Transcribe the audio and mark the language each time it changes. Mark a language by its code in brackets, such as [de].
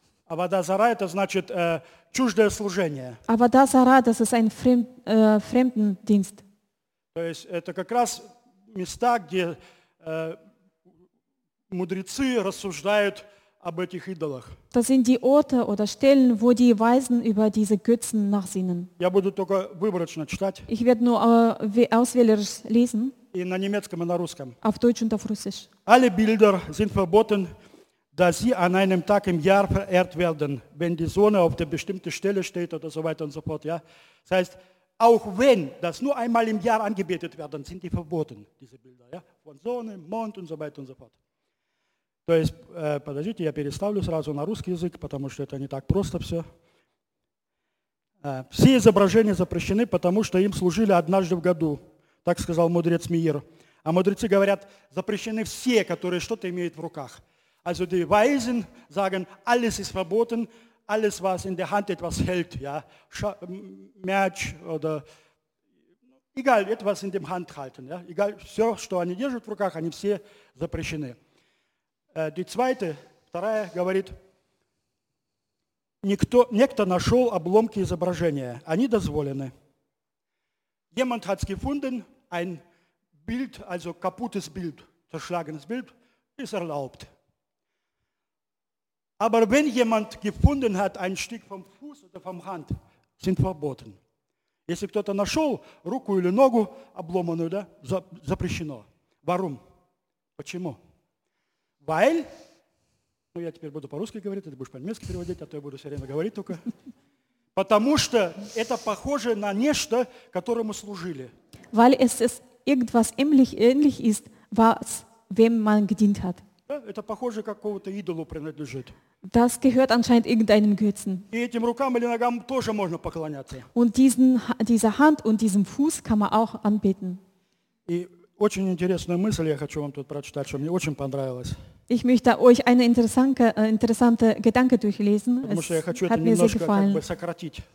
[ru] Абода Зара, это значит чуждое служение. [de] Абода Зара, das ist ein Fremdendienst. [ru] То есть это как раз места, где мудрецы рассуждают об этих идолах. [de] Das sind die Orte oder Stellen, wo die Weisen über diese Götzen nachsinnen. [ru] Я буду только выборочно читать. [de] Ich werde nur auswählerisch lesen. [ru] И на немецком и на русском. [de] Auf Deutsch und auf Russisch. Alle Bilder sind verboten, da sie an einem Tag im Jahr verehrt werden, wenn die Sonne auf der bestimmten Stelle steht oder so weiter und so fort. Ja? Das heißt, auch wenn das nur einmal im Jahr angebetet werden, sind die verboten, diese Bilder. Ja? Von Sonne, Mond und so weiter und so fort. [ru] То есть, подождите, я переставлю сразу на русский язык, потому что это не так просто все. Все изображения запрещены, потому что им служили однажды в году, так сказал мудрец Мир. А мудрецы говорят, запрещены все, которые что-то имеют в руках. [de] Also die Weisen sagen, alles ist verboten, alles, was in der Hand etwas hält, ja, мяч oder egal, etwas in der Hand halten, ja, egal, [ru] все, что они держат в руках, они все запрещены. [de] Die zweite, [ru] вторая, говорит, некто нашел обломки изображения. Они дозволены. [de] Jemand hat es gefunden, ein Bild, also kaputtes Bild, zerschlagenes Bild, ist erlaubt. Aber wenn jemand gefunden hat, ein Stück vom Fuß oder vom Hand, sind verboten. [ru] Если кто-то нашел руку или ногу обломанную, да, запрещено. [de] Warum? [ru] Почему? Weil, ну я теперь буду по-русски говорить, ты будешь по-немецки переводить, а то я буду все время говорить только. Потому что это похоже на нечто, которому служили. [de] Weil es ist irgendwas ähnlich ist, was wem man gedient hat. [ru] Да, это похоже, какому-то идолу принадлежит. [de] Das gehört anscheinend irgendeinem Götzen. [ru] И этим рукам или ногам тоже можно поклоняться. [de] Und dieser Hand und diesem Fuß kann man auch anbeten. [ru] И очень интересную мысль я хочу вам тут прочитать, что мне очень понравилось. [de] Ich möchte euch eine interessante Gedanke durchlesen. [ru] Потому что я хочу это немножко как бы сократить.